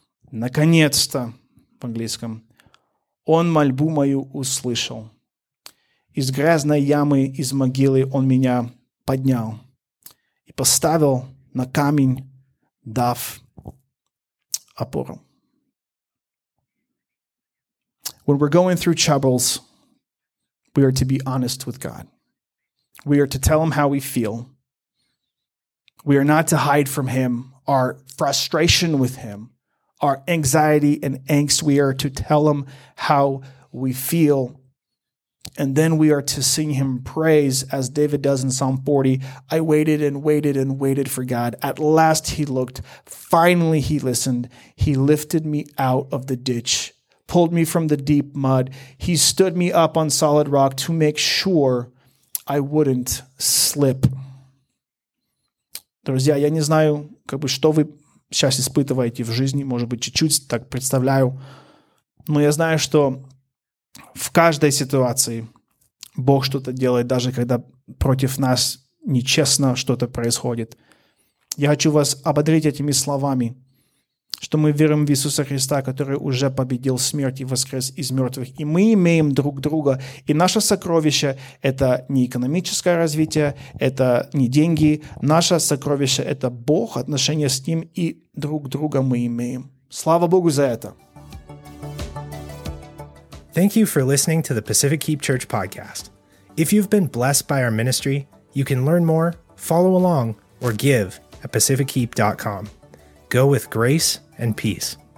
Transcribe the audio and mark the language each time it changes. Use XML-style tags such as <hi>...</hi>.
<ru>«Наконец-то», по-английском, «Он мольбу мою услышал. Из грязной ямы, из могилы Он меня поднял и поставил на камень, дав опору».</ru> <en>When we're going through troubles, we are to be honest with God. We are to tell Him how we feel. We are not to hide from Him our frustration with Him, our anxiety and angst. We are to tell Him how we feel. And then we are to sing Him praise, as David does in Psalm 40. I waited and waited and waited for God. At last He looked. Finally He listened. He lifted me out of the ditch, pulled me from the deep mud. He stood me up on solid rock to make sure I wouldn't slip.</en> <ru>Друзья, я не знаю, как бы, что вы сейчас испытываете в жизни, может быть, чуть-чуть так представляю, но я знаю, что в каждой ситуации Бог что-то делает, даже когда против нас нечестно что-то происходит. Я хочу вас ободрить этими словами, что мы верим в Иисуса Христа, который уже победил смерть и воскрес из мертвых. И мы имеем друг друга. И наше сокровище — это не экономическое развитие, это не деньги. Наше сокровище — это Бог, отношения с Ним, и друг друга мы имеем. Слава Богу за это!</ru> <en>Thank you for listening to the Pacific Keep Church podcast. If you've been blessed by our ministry, you can learn more, follow along, or give at pacifickeep.com. Go with grace and peace.</en>